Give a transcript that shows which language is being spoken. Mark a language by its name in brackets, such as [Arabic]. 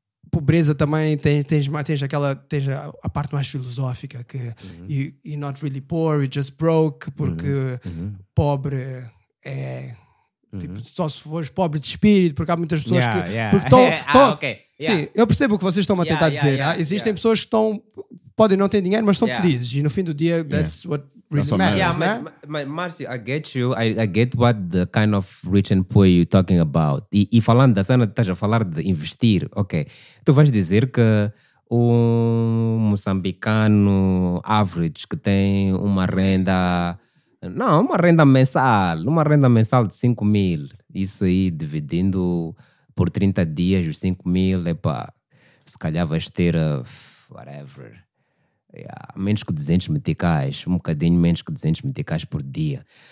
[Portuguese] pobreza também, tens a parte mais filosófica, que uh-huh, [English] you're not really poor, you're just broke, [Portuguese] porque pobre é... Tipo, só se fores pobre de espírito, porque há muitas pessoas porque estão... ah, okay. Yeah. Sim, eu percebo o que vocês estão a tentar dizer. Yeah. Existem pessoas que estão... Podem não ter dinheiro, mas são felizes. E no fim do dia, [English] that's what really matters. Yeah, Márcio, I get you. I get what the kind of rich and poor you're talking about. [Portuguese] E falando da cena, estás a falar de investir. Ok. Tu vais dizer que um moçambicano average que tem uma renda... Não, uma renda mensal de 5 mil. Isso aí, dividindo por 30 dias os 5 mil, epá, se calhar vais ter, whatever, menos que 200 meticais, um bocadinho menos que 200 meticais por dia.